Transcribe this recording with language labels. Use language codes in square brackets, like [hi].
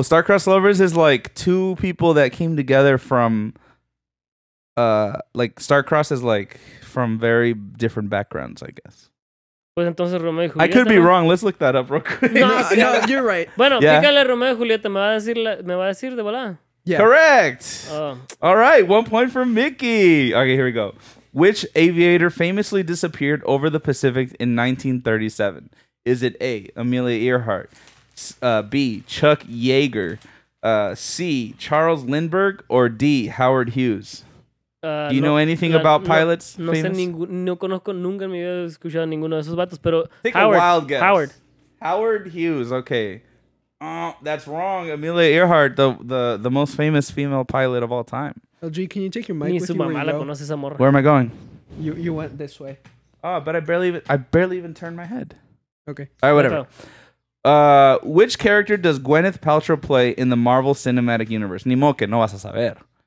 [en] Star-crossed lovers is like two people that came together from like star-crossed is like from very different backgrounds, I guess. [es] Pues entonces Romeo y Julieta. [en] I could be wrong. Let's look that up real quick. No, no, you're right. [es] Bueno, yeah. Fíjale Romeo y Julieta, me va a decir de volada. [en] Yeah. Correct. All right, 1 point for Mickey. Okay, here we go. Which aviator famously disappeared over the Pacific in 1937? Is it A, Amelia Earhart, B, Chuck Yeager, C, Charles Lindbergh, or D, Howard Hughes? Do you know anything about pilots? [es] No conozco, nunca me había escuchado ninguno de esos vatos, pero [en] take Howard, a wild guess. Howard. Howard Hughes, okay. That's wrong. Amelia Earhart, the most famous female pilot of all time. LG, can you take your mic with you? Where am I going? You went this way. Oh, but I barely even turned my head. Okay. All right, whatever. Which character does Gwyneth Paltrow play in the Marvel Cinematic Universe? [es] Ni mo que no vas a saber.